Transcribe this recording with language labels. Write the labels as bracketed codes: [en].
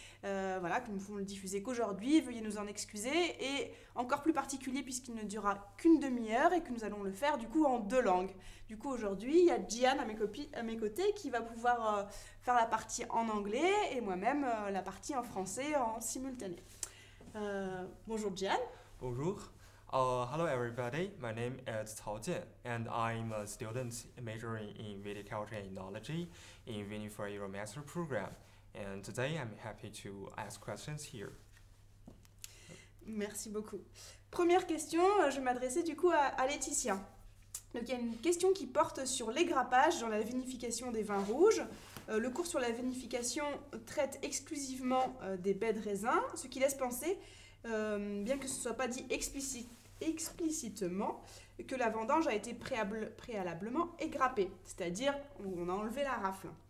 [fr] Voilà, que nous pouvons le diffuser qu'aujourd'hui, veuillez nous en excuser. Et encore plus particulier puisqu'il ne durera qu'une demi-heure et que nous allons le faire du coup en deux langues. Du coup, aujourd'hui, il y a Gian à mes côtés qui va pouvoir faire la partie en anglais et moi-même la partie en français en simultané. Bonjour Gian. Bonjour. [en] Hello everybody, my name is Cao Jian and I'm a student majoring in viticulture and enology in Vinifera Master Program. And today I'm happy to ask questions here. [fr] Merci beaucoup. Première question, je vais m'adresser du coup à Laetitia. Donc il y a une question qui porte sur l'égrappage dans la vinification des vins rouges. Le cours sur la vinification traite exclusivement des baies de raisin, ce qui laisse penser, bien que ce ne soit pas dit explicitement, que la vendange a été préalablement égrappée, c'est-à-dire où on a enlevé la rafle.